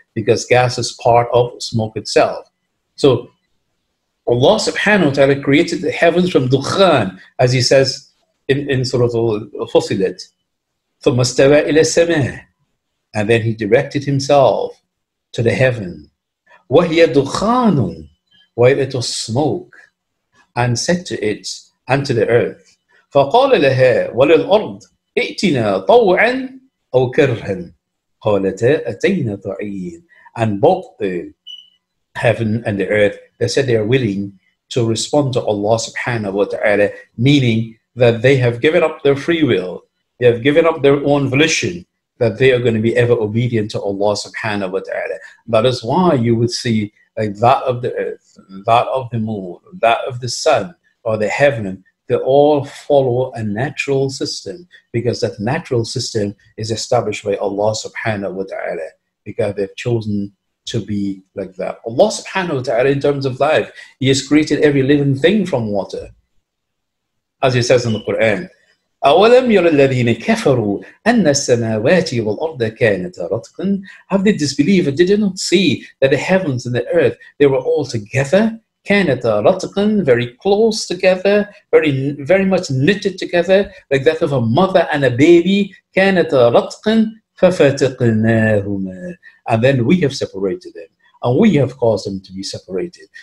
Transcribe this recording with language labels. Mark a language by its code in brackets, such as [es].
[en] Because gas is part of smoke itself. So Allah subhanahu wa ta'ala created the heavens from dukhan, as he says in Surah Al-Fusilat. [ar] ثُمَّ اسْتَوَى إِلَى السَّمَاءِ. [en] And then he directed himself to the heaven. [ar] وَهِيَ دُخَانٌ وَإِذْ إِتُ [en] smoke, and said to it and to the earth, [ar] فَقَالَ لَهَا وَلِلْأَرْضِ ائْتِنَا طَوْعًا أَوْ كَرْهًا قَالَتَا أَتَيْنَا طَعِيًا. [en] And both the heaven and the earth, they said they are willing to respond to Allah subhanahu wa ta'ala, meaning that they have given up their free will, they have given up their own volition, that they are going to be ever obedient to Allah subhanahu wa ta'ala. That is why you would see like that of the earth, that of the moon, that of the sun, or the heaven, they all follow a natural system, because that natural system is established by Allah subhanahu wa ta'ala, because they've chosen to be like that. Allah subhanahu wa ta'ala, in terms of life, He has created every living thing from water. As He says in the Quran, [ar] أَوَلَمْ يَرَ الَّذِينَ كَفَرُوا أَنَّ السَّمَاوَاتِ وَالْأَرْضَ كَانَتَ رَتْقًا. [en] Have they disbelieved? Did they not see that the heavens and the earth, they were all together? [ar] كَانَتَ رَتْقًا, [en] very close together, very much knitted together, like that of a mother and a baby. [ar] كَانَتَ رَتْقًا فَفَتَقْنَاهُمَا. [en] And then we have separated them, and we have caused them to be separated.